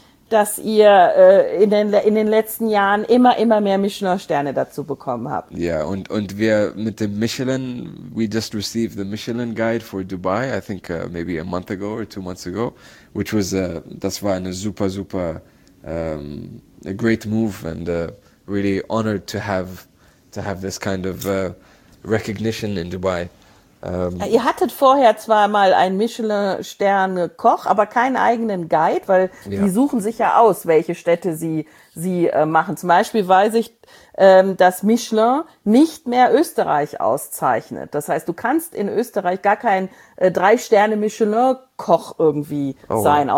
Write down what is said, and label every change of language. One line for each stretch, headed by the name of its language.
German: Dass ihr in den letzten Jahren immer mehr Michelin-Sterne dazu bekommen habt.
English: Ja, yeah, und wir mit dem Michelin, we just received the Michelin Guide for Dubai, I think maybe a month ago or 2 months ago, which was,
German: das war eine super, super,
English: a great move and really honored to have this kind of recognition in Dubai.
German: Ihr hattet vorher zwar mal einen Michelin-Stern-Koch, aber keinen eigenen Guide, weil die suchen sich ja aus, welche Städte sie machen. Zum Beispiel weiß ich, dass Michelin nicht mehr Österreich auszeichnet. Das heißt, du kannst in Österreich gar kein 3-Sterne-Michelin-Koch irgendwie sein.